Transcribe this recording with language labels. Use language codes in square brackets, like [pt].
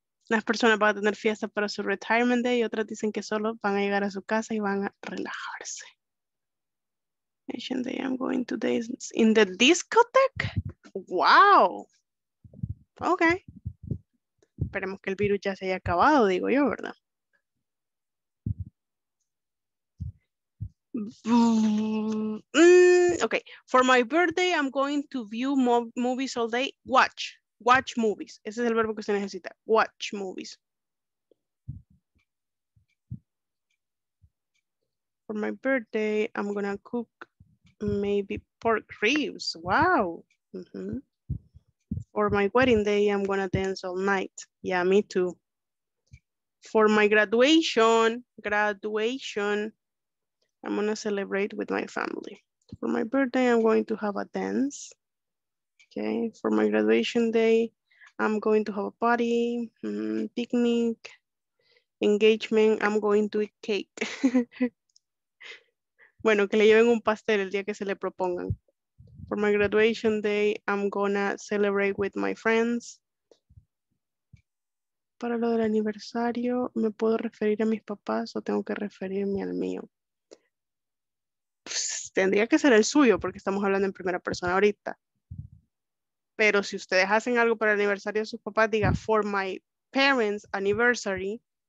[es] Las personas van a tener fiesta para su retirement day y otras dicen que solo van a llegar a su casa y van a relajarse. [en] Asian day, I'm going to dance in the discotheque. Wow. Okay. [es] Esperemos que el virus ya se haya acabado, digo yo, ¿verdad? [en] Okay. For my birthday, I'm going to view movies all day. Watch. Watch movies. [es] Ese es el verbo que usted necesita. [en] Watch movies. For my birthday, I'm gonna cook maybe pork ribs. Wow. Mm-hmm. For my wedding day, I'm gonna dance all night. Yeah, me too. For my graduation, I'm gonna celebrate with my family. For my birthday, I'm going to have a dance. Okay, for my graduation day, I'm going to have a party, picnic, engagement, I'm going to eat cake. [es] Bueno, que le lleven un pastel el día que se le propongan. [en] For my graduation day, I'm gonna celebrate with my friends. [es] Para lo del aniversario, ¿me puedo referir a mis papás o tengo que referirme al mío? Pues, tendría que ser el suyo porque estamos hablando en primera persona ahorita. Pero si ustedes hacen algo para el aniversario de sus papás, diga [en] for my parents' anniversary.